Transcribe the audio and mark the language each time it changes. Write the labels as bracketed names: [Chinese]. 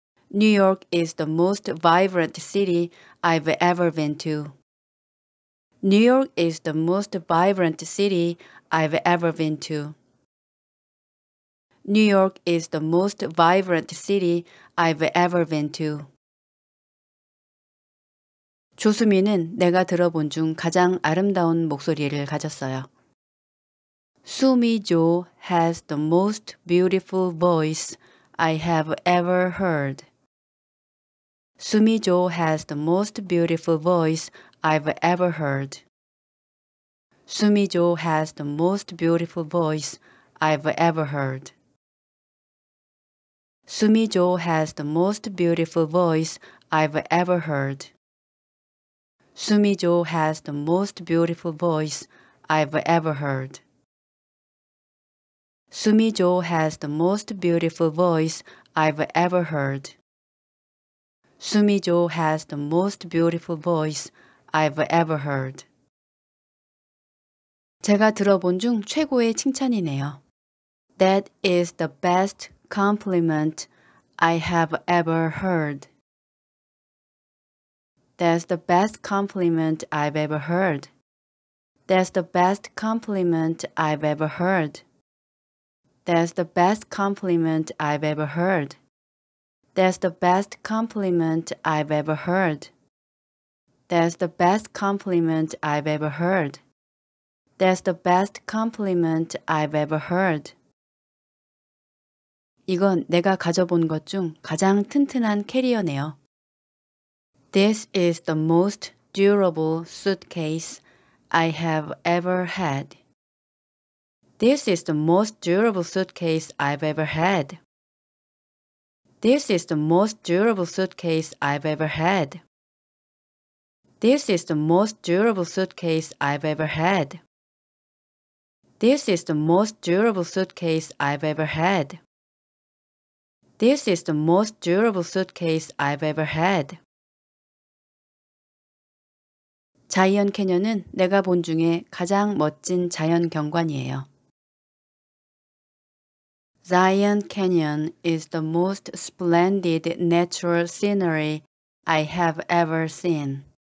[English] New York is the most vibrant city I've ever been to. New York is the most vibrant city I've ever been to. New York is the most vibrant city I've ever been to. [Korean] 조수미는 내가 들어본 중 가장 아름다운 목소리를 가졌어요. [English] Sumi Jo has the most beautiful voice I have ever heard. Sumi Jo has the most beautiful voice I've ever heard. Sumi Jo has the most beautiful voice I've ever heard. Sumijo has the most beautiful voice I've ever heard. Sumijo has the most beautiful voice I've ever heard. Sumijo has the most beautiful voice I've ever heard. Sumijo has the most beautiful voice I've ever heard. [Korean] 제가 들어본 중 최고의 칭찬이네요. [English] That is the best compliment I have ever heard. That's the best compliment I've ever heard. That's the best compliment I've ever heard. That's the best compliment I've ever heard. That's the best compliment I've ever heard. That's the best compliment I've ever heard. That's the best compliment I've ever heard. [Korean] 이건 내가 가져본 것 중 가장 튼튼한 캐리어네요. [English] This is the most durable suitcase I have ever had. This is the most durable suitcase I've ever had. This is the most durable suitcase I've ever had. This is the most durable suitcase I've ever had. This is the most durable suitcase I've ever had. This is the most durable suitcase I've ever had. [Korean] 자이언 캐년은 내가 본 중에 가장 멋진 자연 경관이에요. [English] Zion Canyon is the most splendid natural scenery I have ever seen.